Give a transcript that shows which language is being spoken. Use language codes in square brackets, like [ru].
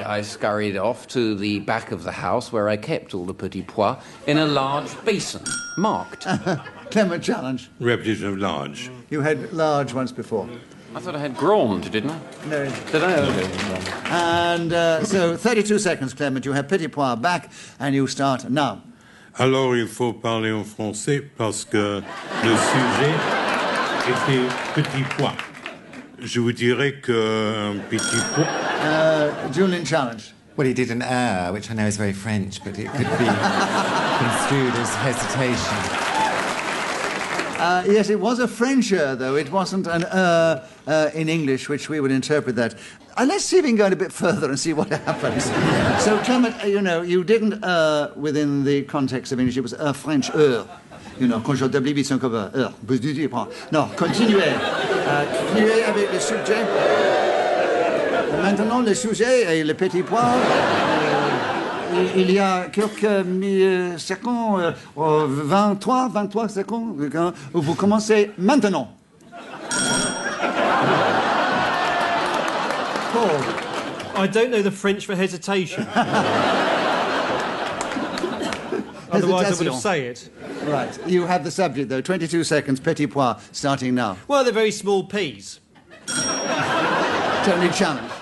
[en] I scurried off to the back of the house where I kept all the petit pois in a large basin, marked. Clement, challenge. Repetition of large. You had large once before. I thought I had grand, didn't I? No. Did I? Okay. And so, 32 seconds, Clement. You have petit pois back, and you start now. [fr] Alors, il faut parler en français parce que le sujet était petit pois. Je vous dirais que un petit pois. [en] Julian, challenge. Well, he did an air, which I know is very French, but it could be construed as hesitation. Yes, it was a French air, though. It wasn't an in English, which we would interpret that. Let's see if we can go a bit further and see what happens. So, Clement, you know, you didn't within the context of English. It was a French air. You know, [fr] quand je t'oublie, c'est encore un air. No, continuez. Continuez avec le sujet. Maintenant, le sujet est le petit pois. Il y a quelques secondes, 23 secondes, vous commencez maintenant. [en] Paul. I don't know the French for hesitation. Otherwise, I would have said it. Right, you have the subject, though. 22 seconds, petit pois, starting now. Well, they're very small peas. Tony Challenge.